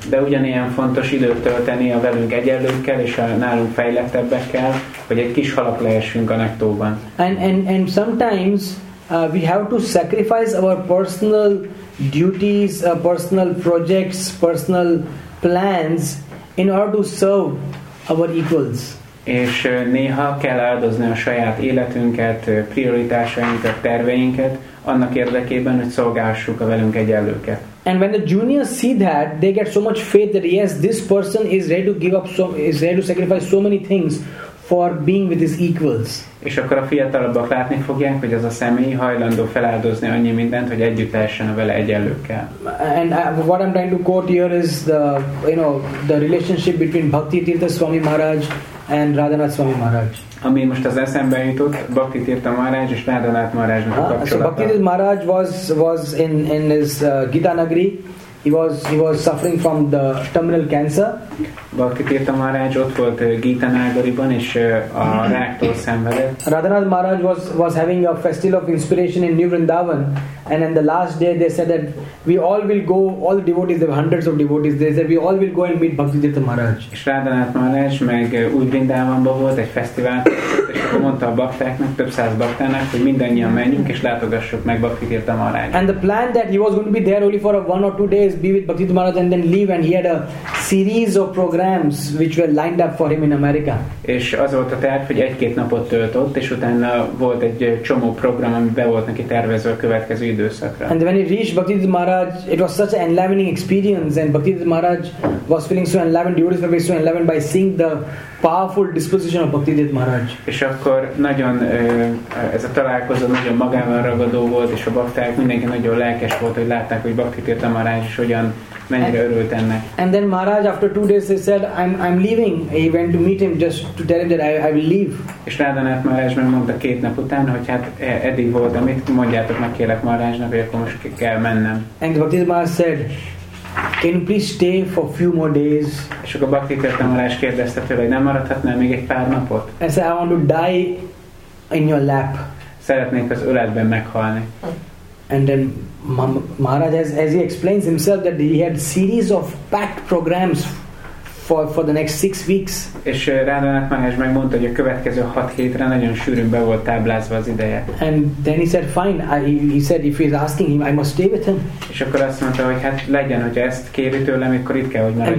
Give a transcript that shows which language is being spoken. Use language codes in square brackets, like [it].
[hu] De ugyanilyen fontos időt tölteni a velünk egyenlőkkel és a nálunk fejlettebbekkel, hogy egy kis halak lehessünk a nektóban. [en] And sometimes we have to sacrifice our personal duties, personal projects, personal plans in order to serve our equals. [hu] És néha kell áldozni a saját életünket, prioritásainkat, terveinket annak érdekében, hogy szolgáljuk a velünk egyenlőket. [en] And when the juniors see that, they get so much faith that yes, this person is ready to give up so is ready to sacrifice so many things for being with his equals. [hu] És akkor a fiatalabbak látni fogják, hogy ez a személy hajlandó feláldozni annyi mindent, hogy együtt lehessen a vele egyenlőkkel. [en] And what I'm trying to quote here is the, you know, the relationship between Bhakti Tirtha Swami Maharaj and Radhanath Swami Maharaj. [hu] Ami most az eszembe jutott, Bhakti Tirtha Maharaj és Radhanath Maharajnak a kapcsolata. [en] So Bhakti Tirtha Maharaj was in his Gita Nagari, he was suffering from the terminal cancer. [hu] Bhakti Tirtha Maharaj ott volt Gita Nagariban és a ráktól szenvedett. [en] Radhanath Maharaj was having a festival of inspiration in New Vrindavan, and on the last day they said that we all will go, all the devotees, there were hundreds of devotees, they said we all will go and meet Bhakti Tirtha Maharaj. [hu] És Radhanath Maharaj meg új Vrindavanban volt egy fesztivál, és akkor mondta a baktáknak, több száz baktának, hogy mindannyian menjünk és látogassuk meg Bhakti Tirtha Maharaj. [en] And the plan that he was going to be there only for a one or two days, be with Bhakti Tirtha Maharaj and then leave, and he had a series of programs which were lined up for him in America. [hu] És az volt a terv, hogy egy-két napot töltött, és utána volt egy csomó program, ami be volt neki tervezve a következő időszakra. [en] And when he reached Bhakti Tirtha Maharaj, it was such an enlivening experience, and Bhakti Tirtha Maharaj was feeling so enlivened, devotees were so enlivened by seeing the powerful disposition of Bhakti Tirtha Maharaj. [hu] És akkor nagyon ez a találkozó nagyon magával ragadó volt, és a bakták, mindenki nagyon lelkes volt, hogy látták, hogy Bhakti Tirtha Maharaj is hogyan mennyire örült ennek. [en] And then Maharaj after two days he said I'm leaving. He went to meet him just to tell him that I will leave. [hu] És Radhanath Maharaj megmondta két nap után, hogy hát eddig volt, amit mondjátok meg kérlek Maharajnak, hogy akkor most ki kell mennem. [en] And Bhakti Tirtha Maharaj said, can you please stay for a few more days? [hu] És akkor Bhakti Tirtha Maharaj kérdezte tőle, hogy nem maradhatnál még egy pár napot? [en] I said, I want to die in your lap. [hu] Szeretnék az öletben meghalni. [en] And then Maharaj, as he explains himself, that he had series of packed programs for the next 6 weeks. [hu] És Radhanath Maharaj megmondta, hogy a következő 6 hétre nagyon sűrűn be volt táblázva az ideje. [en] And then he said, fine. He said, if he's asking him, I must stay with him. [hu] És akkor azt mondta, hogy hát legyen, hogy ezt kéri tőlem, akkor itt kell, hogy maradjon.